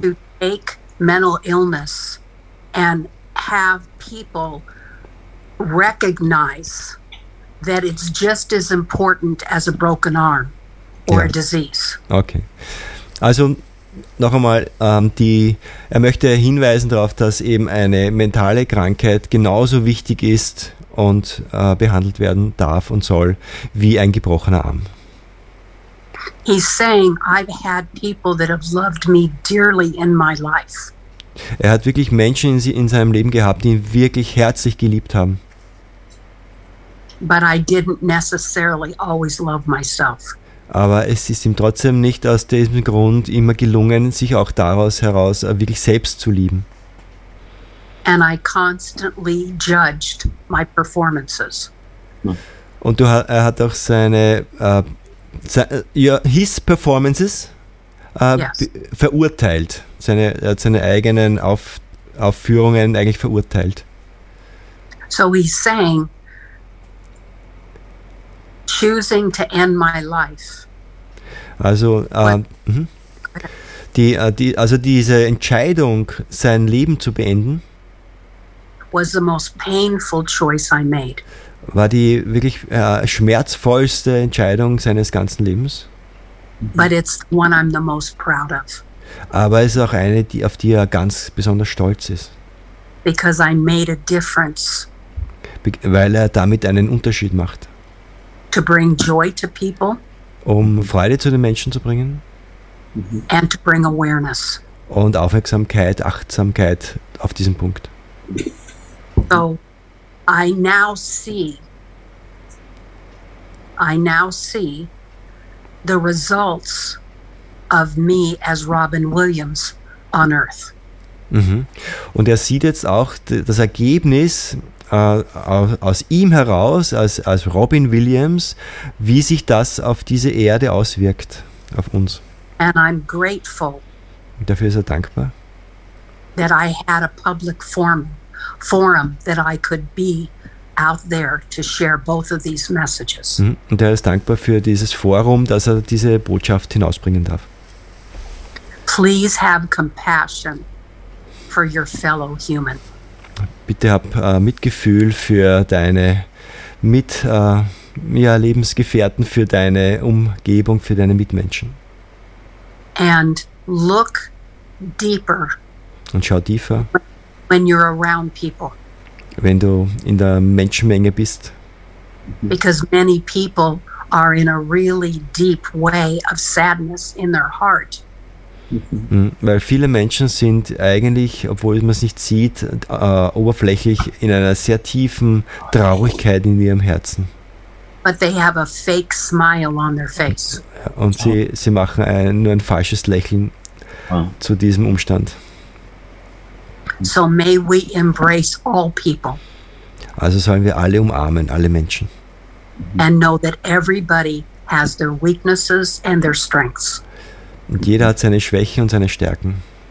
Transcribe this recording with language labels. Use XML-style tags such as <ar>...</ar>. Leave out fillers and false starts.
<en>to take mental illness and have people recognize that it's just as important as a broken arm or a disease. Okay.</en> <de>Also noch einmal, er möchte hinweisen darauf, dass eben eine mentale Krankheit genauso wichtig ist und behandelt werden darf und soll wie ein gebrochener Arm.</de> <en>He's saying, I've had people that have loved me dearly in my life.</en> <de>Er hat wirklich Menschen in seinem Leben gehabt, die ihn wirklich herzlich geliebt haben.</de> <en>But I didn't necessarily always love myself.</en> <de>Aber es ist ihm trotzdem nicht aus diesem Grund immer gelungen, sich auch daraus heraus wirklich selbst zu lieben.</de> <en>And I constantly judged my performances.</en> <de>Und er hat auch seine</de> <en>his performances</en> <de>verurteilt, seine eigenen Aufführungen eigentlich verurteilt.</de> <en>So he's saying, choosing to end my life.</en> <de>Also, diese Entscheidung, sein Leben zu beenden,</de> <en>was the most painful choice I made.</en> <de>War die wirklich schmerzvollste Entscheidung seines ganzen Lebens.</de> <en>But it's the one I'm the most proud of.</en> <de>Aber es ist auch eine, auf die er ganz besonders stolz ist.</de> <en>Because I made a difference.</en> <de>Weil er damit einen Unterschied macht.</de> <en>To bring joy to people.</en> <de>Um Freude zu den Menschen zu bringen.</de> <en>And to bring awareness.</en> <de>Und Aufmerksamkeit, Achtsamkeit auf diesen Punkt.</de> <en>So, I now see the results of me as Robin Williams on Earth. Mhm.</en> <de>Und er sieht jetzt auch das Ergebnis aus ihm heraus, als Robin Williams, wie sich das auf diese Erde auswirkt, auf uns.</de> <en>And I'm grateful.</en> <de>Und dafür ist er dankbar.</de> <en>That I had a public forum that I could be out there to share both of these messages.</en> <de>Und er ist dankbar für dieses Forum, dass er diese Botschaft hinausbringen darf.</de> <en>Please have compassion for your fellow human.</en> <de>Bitte hab Mitgefühl für deine Lebensgefährten, für deine Umgebung, für deine Mitmenschen.</de> <en>And look deeper.</en> <de>Und schau tiefer.</de> <en>When you're around people.</en> <de>Wenn du in der Menschenmenge bist.</de> <en>Because many people are in a really deep way of sadness in their heart.</en> <de>Weil viele Menschen sind eigentlich, obwohl man es nicht sieht, oberflächlich in einer sehr tiefen Traurigkeit in ihrem Herzen.</de> <en>But they have a fake smile on their face.</en> <de>Und sie machen nur ein falsches Lächeln zu diesem Umstand.</de> <en>So may we embrace all people.</en> <de>Also sollen wir alle umarmen, alle Menschen.</de> <en>And know that everybody has their weaknesses and their strengths.</en> <de>Und jeder hat seine Schwächen und seine Stärken.</de>